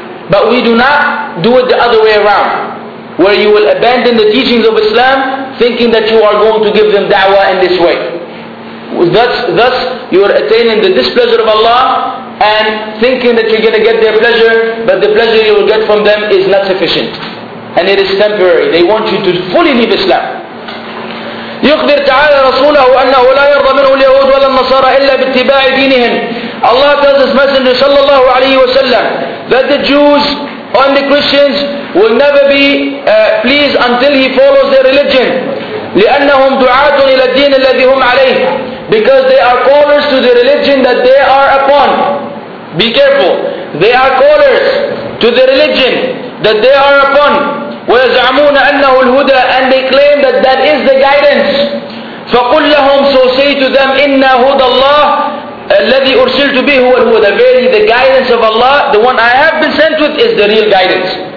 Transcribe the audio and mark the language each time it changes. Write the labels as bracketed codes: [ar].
[en] But we do not do it the other way around, where you will abandon the teachings of Islam thinking that you are going to give them da'wah in this way. Thus you are attaining the displeasure of Allah and thinking that you're going to get their pleasure, but the pleasure you will get from them is not sufficient. And it is temporary. They want you to fully leave Islam. [ar] يخبر تعالى رسوله أنه لا يرضى منه اليهود ولا النصارى إلا باتباع دينهم. [en] Allah tells His Messenger sallallahu alayhi wa sallam that the Jews and the Christians will never be pleased until he follows their religion. [ar] لأنهم دعاة إلى الدين الذي هم عليه. [en] Because they are callers to the religion that they are upon. Be careful. They are callers to the religion that they are upon. [ar] ويزعمون أنه الهدى, [en] and they claim that that is the guidance. [ar] فقل لهم, [en] so say to them, [ar] إنا هدى الله الذي أرسلت به هو الهدى. [en] Verily, the guidance of Allah, the one I have been sent with, is the real guidance.